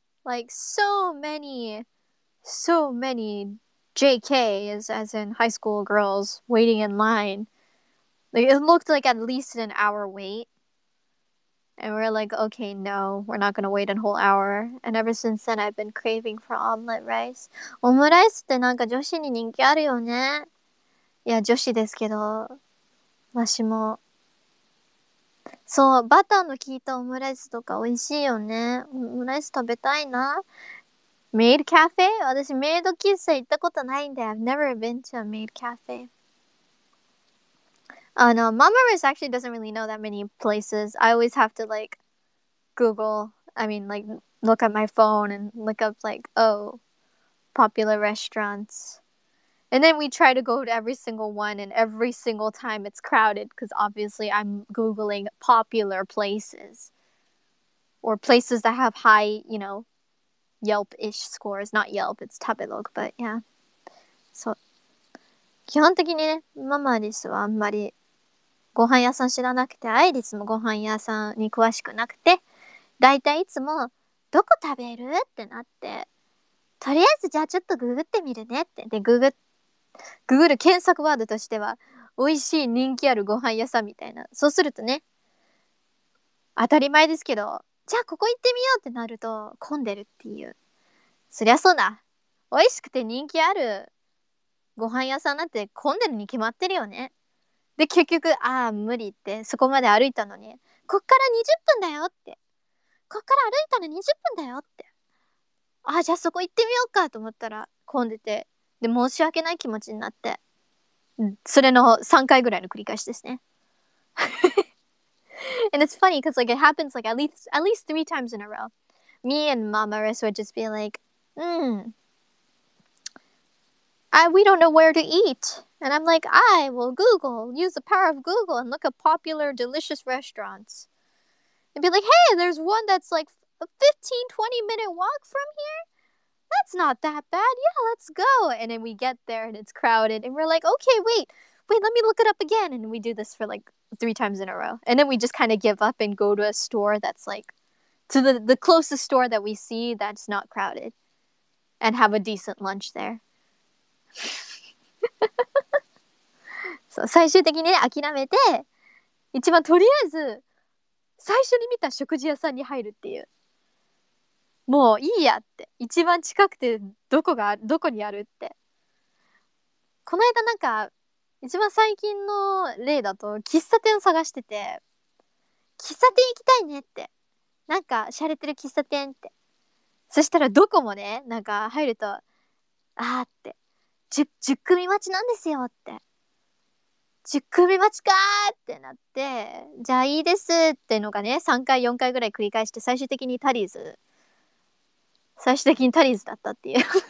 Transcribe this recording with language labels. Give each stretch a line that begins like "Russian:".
English: Like, so many JKs, as in high school girls, waiting in line. Like, it looked like at least an hour wait. And we're like, okay, no, we're not gonna wait a whole hour. And ever since then, I've been craving for omelet rice.
Japanese: オムライスってなんか女子に人気あるよね。いや、女子ですけど、わしも。そう、バターの効いたオムライスとか美味しいよね。オムライス食べたいな。メイドカフェ？私メイド喫茶行ったことないんで、
English: I've never been to a maid cafe. No, Mama Rice actually doesn't really know that many places. I always have to like Google, I mean like look at my phone and look up like, oh, popular restaurants. And then we try to go to every single one and every single time it's crowded because obviously I'm Googling popular places or places that have high, you know, Yelp-ish scores. Not Yelp, it's Tabelog, but yeah. So,
Japanese: 基本的にね、ママリスはあんまりご飯屋さん知らなくて、アイリスもご飯屋さんに詳しくなくて、だいたいいつもどこ食べるってなって、とりあえずじゃあちょっとググってみるねって。で、Google 検索ワードとしては美味しい人気あるご飯屋さんみたいな。そうするとね、当たり前ですけどじゃあここ行ってみようってなると混んでるっていう。そりゃそうだ。美味しくて人気あるご飯屋さんなんて混んでるに決まってるよね。で結局ああ無理ってそこまで歩いたのに、こっから20分だよって、こっから歩いたの20分だよって、ああじゃあそこ行ってみようかと思ったら混んでて、で申し訳ない気持ちになって、それの3回ぐらいの繰り返しですね。
English: And it's funny because like it happens like at least 3 times in a row. Me and Mama Riss would just be like, we don't know where to eat. And I'm like, I will Google, use the power of Google and look at popular delicious restaurants. And be like, hey, there's one that's like a 15-20 minute walk from here. That's not that bad. Yeah, let's go. And then we get there and it's crowded. And we're like, okay, wait, let me look it up again. And we do this for like 3 times in a row. And then we just kind of give up and go to a store that's like to the closest store that we see that's not crowded and have a decent lunch there.
Japanese: そう、最終的にね、諦めて一番とりあえず最初に見た食事屋さんに入るっていう、もういいやって、一番近くてどこにあるって。この間なんか一番最近の例だと喫茶店を探してて、喫茶店行きたいねって、なんか洒落てる喫茶店って、そしたらどこもね、なんか入るとあーって、10組待ちなんですよって、10組待ちかーってなって、じゃあいいですってのがね3回4回ぐらい繰り返して、最終的にタリーズ、最終的にタリーズだったっていう。